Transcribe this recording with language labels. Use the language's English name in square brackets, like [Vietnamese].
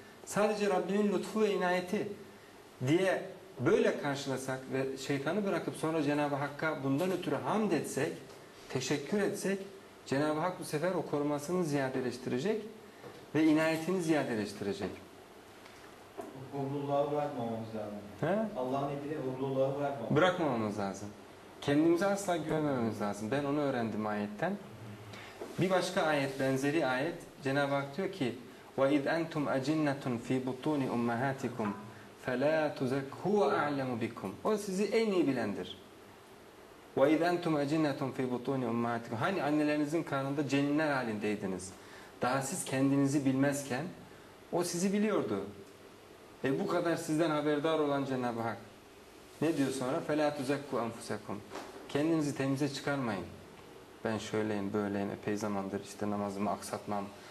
[Turkish] Sadece Rabbinin lütfu ve inayeti diye böyle karşılasak ve şeytanı bırakıp sonra Cenab-ı Hakk'a bundan ötürü hamd etsek, teşekkür etsek, Cenab-ı Hak bu sefer o korumasını ziyadeleştirecek ve inayetini ziyadeleştirecek. hurluluğa bırakmamamız lazım. He? Allah'ın ipini hurluluğa bırakmamamız, bırakmamamız lazım. Kendimize asla güvenmememiz lazım. Ben onu öğrendim ayetten. Bir başka ayet, benzeri ayet. Cenab-ı Hak diyor ki: [Arabic] وَاِذْ أَنْتُمْ أَجِنَّةٌ فِي بُطُونِ أُمَّهَاتِكُمْ فَلَا تُزَكُّوا أَعْلَمُ بِكُمْ. [Turkish] O sizi en iyi bilendir. [Arabic] وَاِذْ أَنْتُمْ أَجِنَّةٌ فِي بُطُونِ أُمَّهَاتِكُمْ. [Turkish] Hani annelerinizin karnında cinler halindeydiniz. Daha siz kendinizi bilmezken o sizi biliyordu. E bu kadar sizden haberdar olan Cenab-ı Hak ne diyor sonra? [Arabic] فَلَا تُزَكُّوا أَنْفُسَكُمْ. [Turkish] Kendinizi temize çıkarmayın. Ben şöyleyim, böyleyim, epey zamandır işte namazımı aksatmam.